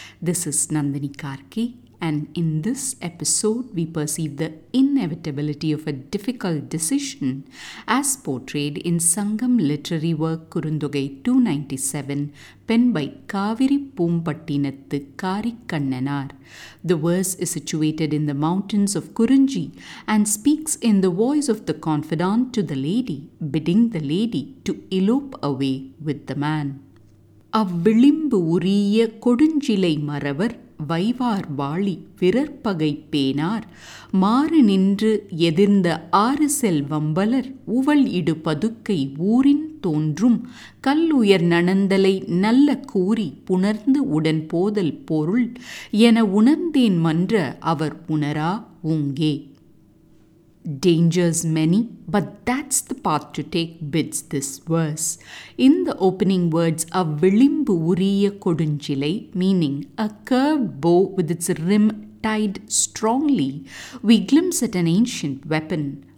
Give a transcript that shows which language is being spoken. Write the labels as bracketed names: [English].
[English] This is Nandini Karki, and in this episode we perceive the inevitability of a difficult decision as portrayed in Sangam literary work Kurundogai 297 penned by Kaviri Pumpattinathu Karikannanar. The verse is situated in the mountains of Kurunji and speaks in the voice of the confidant to the lady, bidding the lady to elope away with the man. [Tamil] அவ்விளிம்பு உரிய கொடுஞ்சிலை மறவர் வைவார் வாழி விரற்பகை பேனார் மாறு நின்று எதிர்ந்த ஆறு செல்வம்பலர் உவள் இடு பதுக்கை ஊரின் தோன்றும் கல்லுயர் நணந்தலை நல்ல கூறி புணர்ந்து உடன் போதல் பொருள் என உணர்ந்தேன் மன்ற அவர் உணரா உங்கே. [English] Dangers many, but that's the path to take, bids this verse. In the opening words, a vilimbu uriya kodunjilai, meaning a curved bow with its rim tied strongly, we glimpse at an ancient weapon.